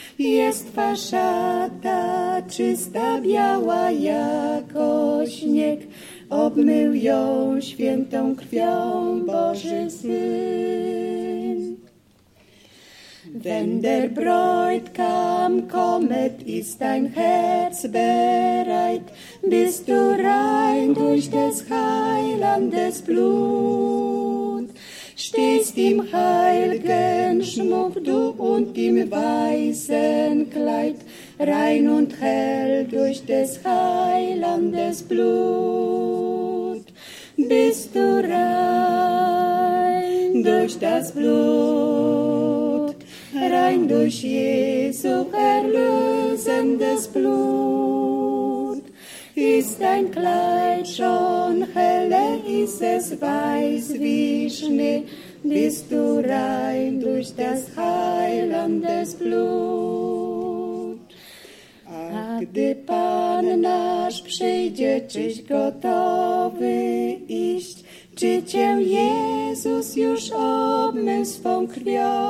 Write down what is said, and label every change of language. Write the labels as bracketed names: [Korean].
[Polish] Jest twa szata czysta, biała jako śnieg, obmył ją świętą krwią Boży Syn. [German] Wenn der Bräutigam kommet, ist dein Herz bereit, bist du rein durch des Heilandes Blut. Stehst im heil'gen Schmuck du und im weißen Kleid, rein und hell durch des Heilandes Blut. Bist du rein durch das Blut, rein durch Jesu erlösendes Blut. Ist dein Kleid schon heller, ist es weiß wie Schnee, bist du rein durch das heilendes Blut. [Polish] Ach, gdy Pan nasz przyjdzie, czyś gotowy iść, czy Cię Jezus już obmył swą krwią?